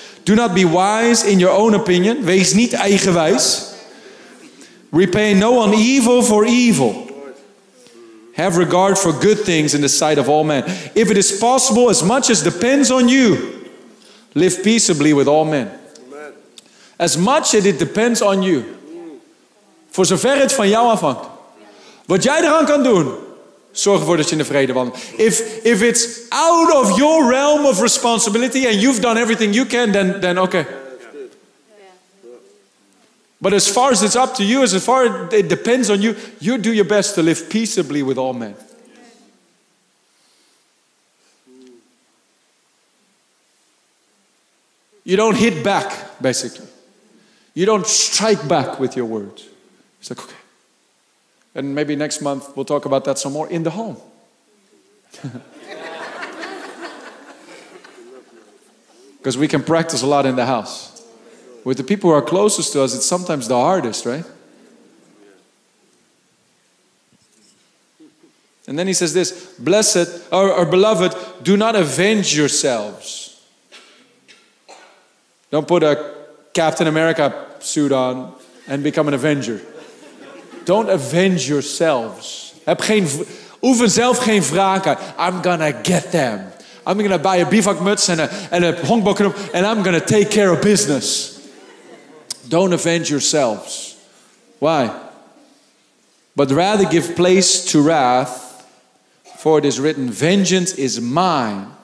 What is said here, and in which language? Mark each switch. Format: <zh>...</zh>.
<en>Do not be wise in your own opinion.</en> <nl>Wees niet eigenwijs.</nl> <en>Repay no one evil for evil. Have regard for good things in the sight of all men. If it is possible, as much as depends on you, live peaceably with all men. As much as it depends on you.</en> <nl>Voor zover het van jou afhangt. Wat jij eraan kan doen, zorg ervoor dat je in de vrede wandelt.</nl> <en>If it's out of your realm of responsibility and you've done everything you can, then okay. But as far as it's up to you, as far as it depends on you, you do your best to live peaceably with all men. You don't hit back, basically. You don't strike back with your words. It's like, okay. And maybe next month we'll talk about that some more in the home. Because we can practice a lot in the house. With the people who are closest to us, it's sometimes the hardest, right? And then he says this, blessed, or beloved, do not avenge yourselves. Don't put a Captain America suit on and become an avenger. Don't avenge yourselves.</en> <nl>Oefen zelf geen wraak uit.</nl> <en>I'm gonna get them. I'm gonna buy a</en> <nl>bivak muts</nl> <en>and a</en> <nl>honkbalknop</nl> <en>and I'm gonna take care of business. Don't avenge yourselves. Why? But rather give place to wrath, for it is written, vengeance is mine.</en>